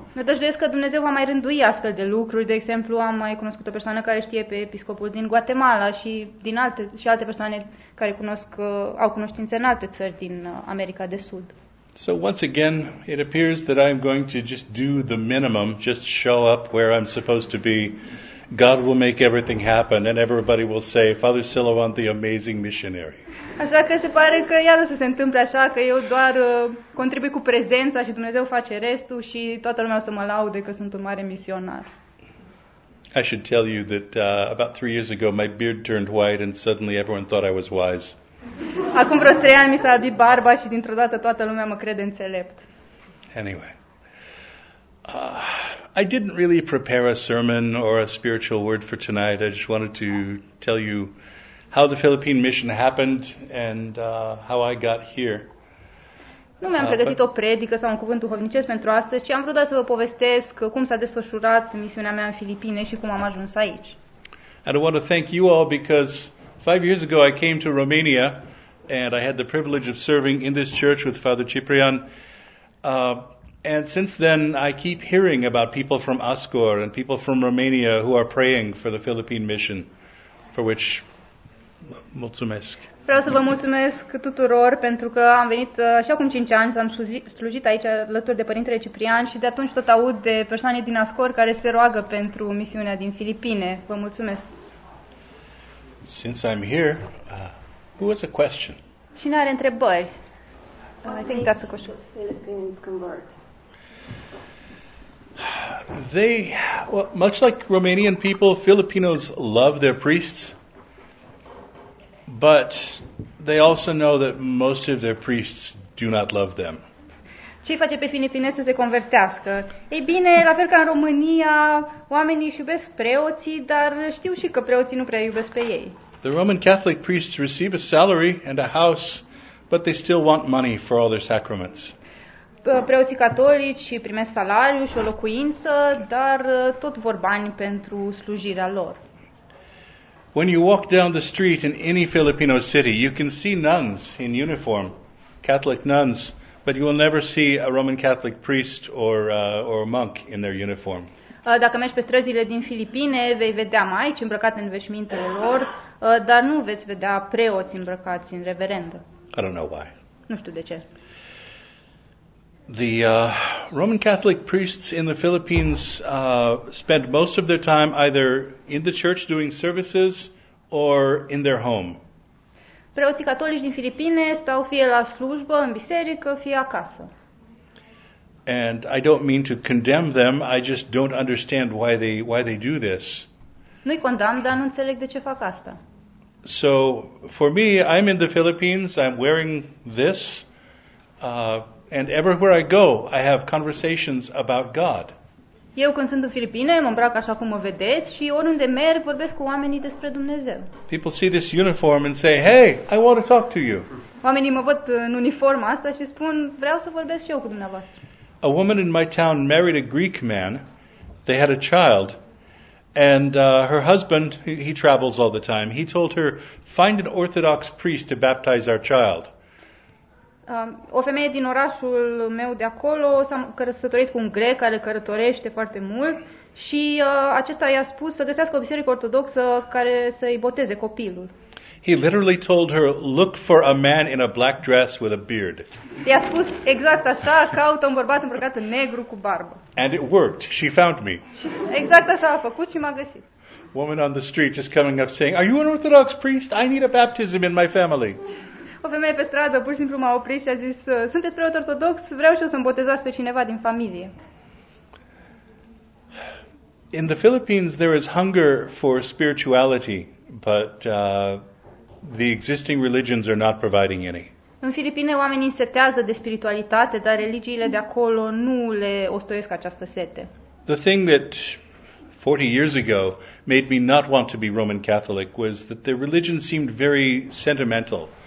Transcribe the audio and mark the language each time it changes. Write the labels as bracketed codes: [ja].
[ro] Nădăjduiesc că Dumnezeu va mai rândui astfel de lucruri. De exemplu, am mai cunoscut o persoană care știe pe episcopul din Guatemala și din alte și alte persoane care cunosc au cunoștințe în alte țări din America de Sud. [en] So once again, it appears that I'm going to just do the minimum, just show up where I'm supposed to be. God will make everything happen, and everybody will say, Father Silovan, the amazing missionary. [ro] Așa că se pare că iar să se întâmple așa, că eu doar contribui cu prezența și Dumnezeu face restul și toată lumea o să mă laude că sunt un mare misionar. [en] I should tell you that about 3 years ago, my beard turned white and suddenly everyone thought I was wise. [ro] Acum vreo 3 ani mi s-a adit barba și dintr-o dată toată lumea mă crede înțelept. [en] Anyway, I didn't really prepare a sermon or a spiritual word for tonight. I just wanted to tell you how the Philippine mission happened and how I got here. [ro] Nu mi-am pregătit o predică sau un cuvânt duhovnicesc pentru astăzi, ci am vrut să vă povestesc cum s-a desfășurat misiunea mea în Filipine și cum am ajuns aici. [en] And I want to thank you all because 5 years ago I came to Romania and I had the privilege of serving in this church with Father Ciprian. And since then I keep hearing about people from Ascor and people from Romania who are praying for the Philippine mission, for which mulțumesc. [ro] Vreau să vă mulțumesc tuturor pentru că am venit și acum 5 ani, am slujit aici alături de Părintele Ciprian și de atunci tot aud de persoane din Ascor care se roagă pentru misiunea din Filipine. Vă mulțumesc. [en] Since I'm here, who has a question? [ro] Cine are întrebări? [en] I think that's a question. The Philippines convert. They, well, much like Romanian people, Filipinos love their priests, but they also know that most of their priests do not love them. [ro] Ce face pe filipinezi să se convertească? Ei bine, la fel ca în România, oamenii își iubesc preoții, dar știu și că preoții nu prea iubesc pe ei. [en] The Roman Catholic priests receive a salary and a house, but they still want money for all their sacraments. [ro] Preoții catolici primesc salariu și o locuință, dar tot vor bani pentru slujirea lor. [en] When you walk down the street in any Filipino city, you can see nuns in uniform, Catholic nuns, but you will never see a Roman Catholic priest or a monk in their uniform. [ro] Dacă mergi pe străzile din Filipine, vei vedea maici îmbrăcați în veșmintele lor, dar nu veți vedea preoți îmbrăcați în reverendă. [en] I don't know why. [ro] Nu știu de ce. [en] The Roman Catholic priests in the Philippines spend most of their time either in the church doing services or in their home. [ro] Preoții catolici din Filipine stau fie la slujbă în biserică, fie acasă. [en] And I don't mean to condemn them, I just don't understand why they do this. [ro] Nu-i condamn, dar nu înțeleg de ce fac asta. [en] So, for me, I'm in the Philippines, I'm wearing this, and everywhere I go, I have conversations about God. [ro] Eu când sunt în Filipine, mă îmbrac așa cum mă vedeți și oriunde merg, vorbesc cu oamenii despre Dumnezeu. [en] People see this uniform and say, "Hey, I want to talk to you." [ro] Oamenii mă văd în uniforma asta și spun, "Vreau să vorbesc și eu cu dumneavoastră." [en] A woman in my town married a Greek man. They had a child. And her husband, he travels all the time. He told her, "Find an Orthodox priest to baptize our child." [ro] O femeie din orașul meu de acolo s-a căsătorit cu un grec care cărătorește foarte mult și acesta i-a spus să găsească o biserică ortodoxă care să-i boteze copilul. [en] He literally told her, "Look for a man in a black dress with a beard." [ro] I-a spus exact așa, caută un bărbat îmbrăcat în negru cu barbă. [en] And it worked. She found me. [ro] Exact așa a făcut și m-a găsit. [en] Woman on the street just coming up saying, "Are you an Orthodox priest? I need a baptism in my family." [ro] O femeie pe stradă pur și simplu m-a oprit și a zis, "Sunteți preot ortodox? Vreau și eu să-mi botezați pe cineva din familie." [en] In the Philippines there is hunger for spirituality, but the existing religions are not providing any. [ro] În Filipine oamenii setează de spiritualitate, dar religiile de acolo nu le ostoiesc această sete. [en] The thing that 40 years ago made me not want to be Roman Catholic was that the religion seemed very sentimental.